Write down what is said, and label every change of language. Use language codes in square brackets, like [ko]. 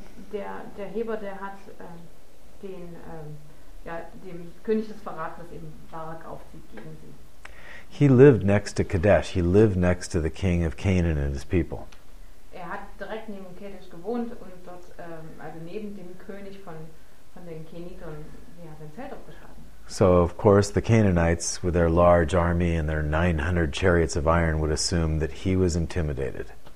[de] Okay, der Heber, der hat dem König das verraten, dass eben Barak aufzieht gegen sie. [en] He lived next to Kadesh. He lived next to the king of Canaan and his people. [de] Er hat direkt neben Kadesh gewohnt und dort, also neben dem König von den Kenitern, er hat sein Zelt aufgeschlagen. [en] So, of course, the Canaanites, with their large army and their 900 chariots of iron, would assume that he was intimidated.